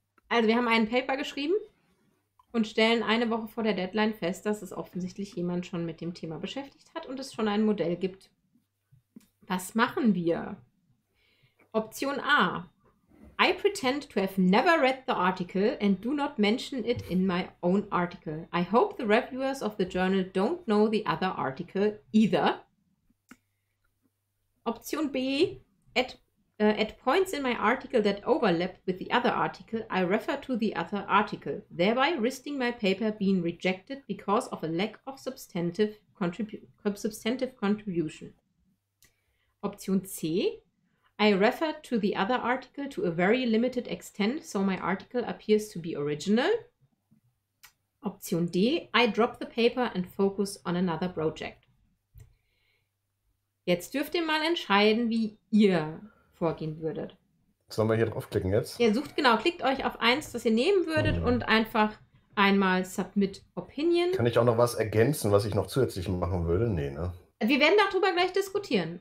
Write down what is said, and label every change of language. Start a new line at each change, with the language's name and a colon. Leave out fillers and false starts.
German: Also, wir haben einen Paper geschrieben und stellen eine Woche vor der Deadline fest, dass es offensichtlich jemand schon mit dem Thema beschäftigt hat und es schon ein Modell gibt. Was machen wir? Option A.
English: I pretend to have never read the article and do not mention it in my own article. I hope the reviewers of the journal don't know the other article either. Option B, at points in my article that overlap with the other article, I refer to the other article, thereby risking my paper being rejected because of a lack of substantive contribution. Option C, I refer to the other article to a very limited extent, so my article appears to be original. Option D, I drop the paper and focus on another project.
German: Jetzt dürft ihr mal entscheiden, wie ihr vorgehen würdet. Sollen wir hier draufklicken jetzt? Ihr sucht genau, klickt euch auf eins, das ihr nehmen würdet und einfach einmal Submit Opinion. Kann ich auch noch was ergänzen, was ich noch zusätzlich machen würde? Nee, ne? Wir werden darüber gleich diskutieren.